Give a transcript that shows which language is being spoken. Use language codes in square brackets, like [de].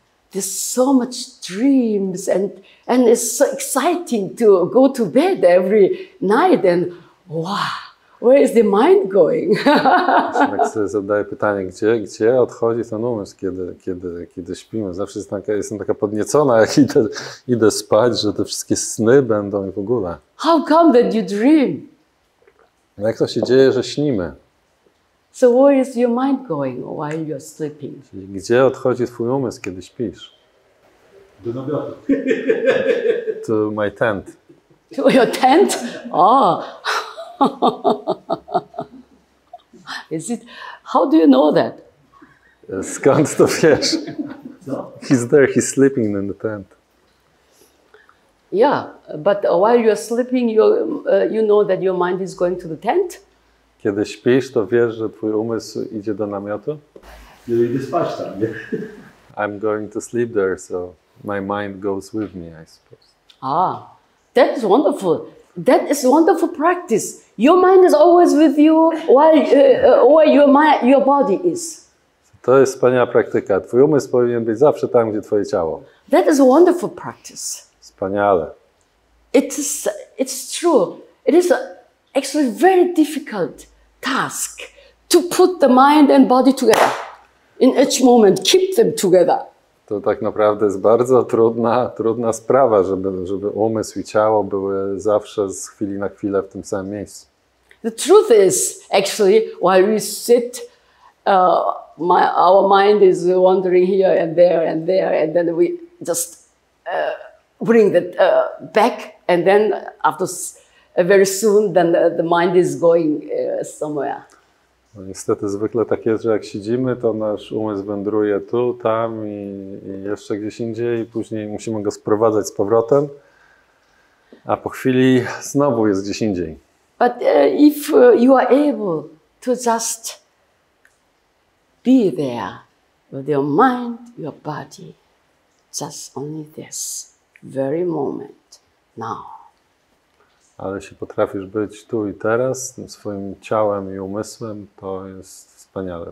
[en] There's so much dreams and it's so exciting to go to bed every night and wow, where is the mind going? [pl] Zadaję pytanie, gdzie odchodzi ten umysł, kiedy śpimy? Zawsze jestem taka podniecona, jak idę spać, że te wszystkie sny będą i w ogóle. [en] How come that you dream? [pl] Jak to się dzieje, że śnimy? [en] So where is your mind going while you're sleeping? [pl] Gdzie odchodzi twój umysł, kiedy śpisz? Do namiotu. [en] To my tent. To your tent? Oh. Is it? How do you know that? [pl] Skąd to wiesz? [en] He's there. He's sleeping in the tent. Yeah, but while you're sleeping, you know that your mind is going to the tent. [pl] Kiedy śpisz, to wiesz, że twój umysł idzie do namiotu? Nie, idę spać tam, nie? [en] I'm going to sleep there, so my mind goes with me, I suppose. Ah, that is wonderful. That is wonderful practice. Your mind is always with you while your body is. [pl] To jest wspaniała praktyka. Twój umysł powinien być zawsze tam, gdzie twoje ciało. [en] That is wonderful practice. [pl] Wspaniale. [en] It's true. It is actually very difficult task to put the mind and body together in each moment, keep them together. [pl] To tak naprawdę jest bardzo trudna sprawa, żeby umysł i ciało były zawsze z chwili na chwilę w tym samym miejscu. [en] The truth is actually while we sit our mind is wandering here and there and then we just bring that back and then after very soon then the mind is going somewhere. [pl] No, niestety zwykle tak jest, że jak siedzimy, to nasz umysł wędruje tu, tam i jeszcze gdzieś indziej i później musimy go sprowadzać z powrotem, a po chwili znowu jest gdzieś indziej. [en] But if you are able to just be there with your mind, your body, just only this very moment now. [pl] Ale jeśli potrafisz być tu i teraz, swoim ciałem i umysłem, to jest wspaniale.